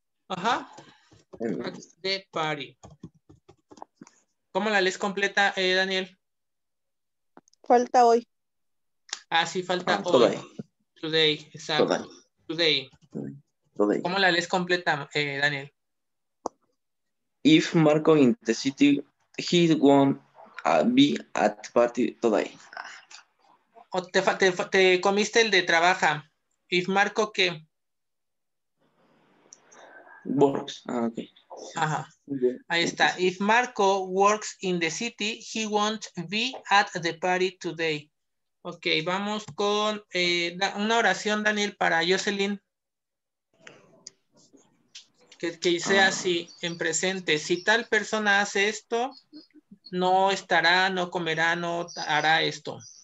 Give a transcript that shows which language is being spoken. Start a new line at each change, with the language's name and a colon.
English: Ajá. At the party.
Spanish: ¿Cómo la lees completa, Daniel? Falta hoy. Ah, sí, falta hoy. Today. Today, exacto. Today.
English: Today.
Spanish: ¿Cómo la lees completa, Daniel?
English: If Marco in the city, he won't be at party today.
Spanish: Oh, te comiste el de trabaja.
English: If Marco, ¿qué? Works. Ah, okay.
Spanish: Ajá. Ahí está.
English: If Marco works in the city, he won't be at the party today.
Spanish: Ok, vamos con una oración, Daniel, para Jocelyn. Que sea así, en presente. Si tal persona hace esto, no estará, no comerá, no hará esto.